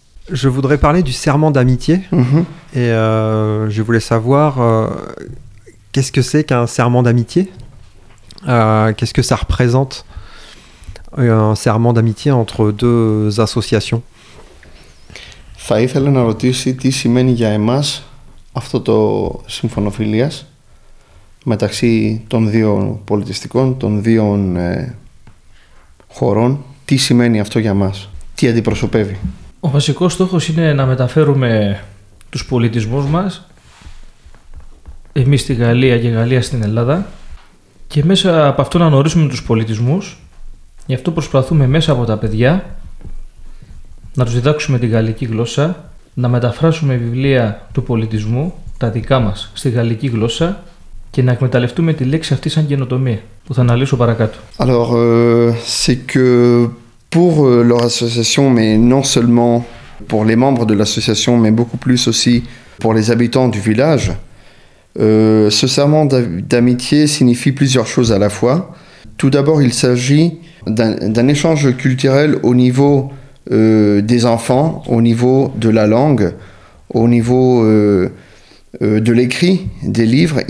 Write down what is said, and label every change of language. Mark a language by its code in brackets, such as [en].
[fr] Je voudrais parler du serment d'amitié et je voulais savoir qu'est-ce que c'est qu'un serment d'amitié, qu'est-ce que ça représente. Un serment d'amitié entre deux associations. [el] Θα ήθελα να ρωτήσει τι σημαίνει για εμάς αυτό το συμφωνοφιλίας μεταξύ των δύο πολιτιστικών, των δύο χωρών. Τι σημαίνει αυτό για εμάς, τι αντιπροσωπεύει. Ο βασικός στόχος είναι να μεταφέρουμε τους πολιτισμούς μας, εμείς στη Γαλλία και η Γαλλία στην Ελλάδα, και μέσα από αυτό να γνωρίσουμε τους πολιτισμούς. Γι' αυτό προσπαθούμε μέσα από τα παιδιά να τους διδάξουμε τη γαλλική γλώσσα, να μεταφράσουμε βιβλία του πολιτισμού, τα δικά μας, στη γαλλική γλώσσα και να εκμεταλλευτούμε τη λέξη αυτή σαν καινοτομία, που θα αναλύσω παρακάτω. [fr] Alors, c'est que pour leur association, mais non seulement pour les membres de l'association, mais beaucoup plus aussi pour les habitants du village, ce serment d'amitié signifie plusieurs choses à la fois. Tout d'abord, il s'agit d'un échange culturel au niveau des enfants, au niveau de la langue, au niveau de l'écrit, des livres.